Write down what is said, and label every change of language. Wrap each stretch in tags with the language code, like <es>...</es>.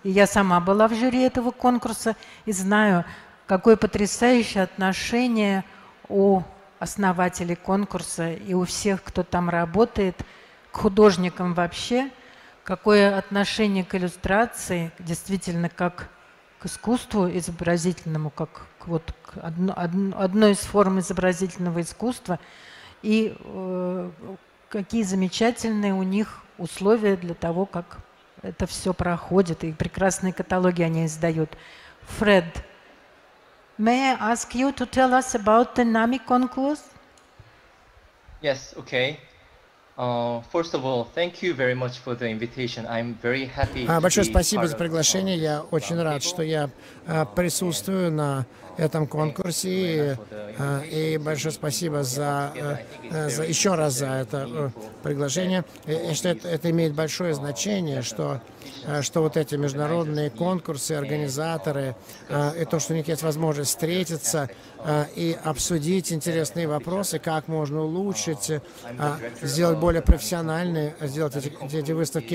<ru>И я сама была в жюри этого конкурса и знаю, какое потрясающее отношение у основателей конкурса и у всех, кто там работает, к художникам вообще, какое отношение к иллюстрации, действительно, как к искусству изобразительному, как вот к одной из форм изобразительного искусства, и какие замечательные у них условия для того, как это все проходит, и прекрасные каталоги они издают.</ru> <en>Фред, may I ask you to tell us about the NAMI concourse? Yes, okay. First of all, thank you very much for the invitation. I'm very happy.</en> <ru>Большое спасибо за приглашение. Я очень рад, что я присутствую на этом конкурсе. И большое спасибо за еще раз за это приглашение. Я считаю, это имеет большое значение, что вот эти международные конкурсы, организаторы, и то, что у них есть возможность встретиться и обсудить интересные вопросы, как можно улучшить, сделать более профессиональные, сделать эти выставки.</ru>